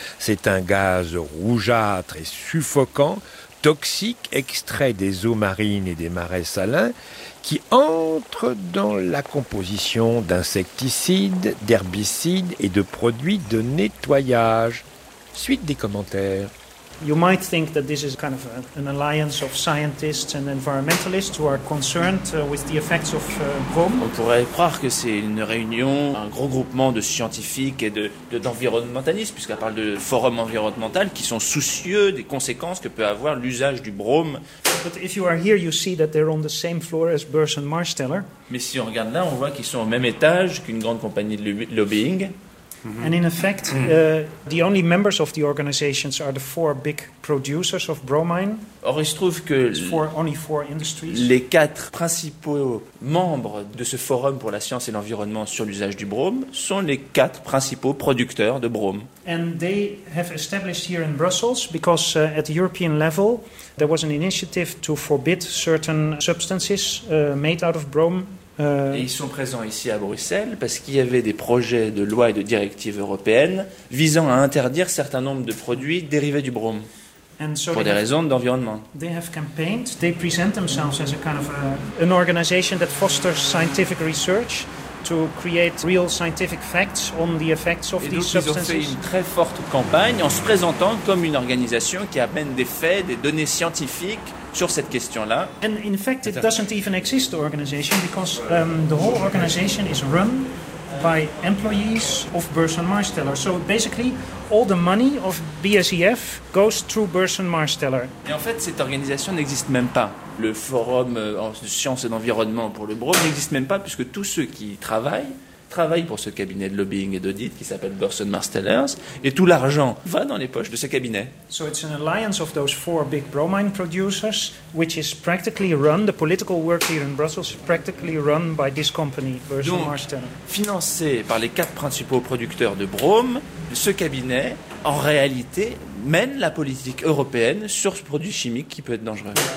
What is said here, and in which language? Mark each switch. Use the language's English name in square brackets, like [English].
[French] C'est un gaz rougeâtre et suffocant, toxique, extrait des eaux marines et des marais salins, qui entre dans la composition d'insecticides, d'herbicides et de produits de nettoyage. Suite des commentaires. [English] You might think that this is kind of an alliance of scientists and environmentalists who are concerned with the effects of Brome. [French] On pourrait croire que c'est une réunion, un gros groupement de scientifiques et d'environnementalistes, puisqu'elle parle de forum environnemental, qui sont soucieux des conséquences que peut avoir l'usage du brome. [English] But if you are here, you see that they're on the same floor as Burse and Marsteller. [French] Mais si on regarde là, on voit qu'ils sont au même étage qu'une grande compagnie de lobbying. Mm-hmm. [English] And in effect, the only members of the organizations are the four big producers of bromine. [French] Or, il se trouve que [English] four industries. [French] Les quatre principaux membres de ce forum pour la science et l'environnement sur l'usage du brome sont les quatre principaux producteurs de brome. [English] And they have established here in Brussels because at the European level there was an initiative to forbid certain substances made out of brome. [French] Et ils sont présents ici à Bruxelles parce qu'il y avait des projets de loi et de directives européennes visant à interdire certain nombre de produits dérivés du brome pour des raisons d'environnement. [English] They have campaigned, they present themselves as a kind of an organization that fosters scientific research to create real scientific facts on the effects of these substances. [French] Et donc ils ont fait une très forte campagne en se présentant comme une organisation qui amène des faits, des données scientifiques sur cette question-là. [English] And in fact, it doesn't even exist, the organization, because the whole organization is run by employees of Burse and Marsteller. So basically, all the money of BSEF goes through Burse and Marsteller. [French] Et en fait, cette organisation n'existe même pas. Le forum en sciences et d'environnement pour le brome n'existe même pas, puisque tous ceux qui travaillent pour ce cabinet de lobbying et d'audit qui s'appelle Burse and Marsteller, et tout l'argent va dans les poches de ce cabinet. [English] So it's an alliance of those four big bromine producers, which is practically run, the political work here in Brussels is practically run by this company, Burse and Marsteller. [French] Donc, financé par les quatre principaux producteurs de brome, ce cabinet, en réalité, mène la politique européenne sur ce produit chimique qui peut être dangereux.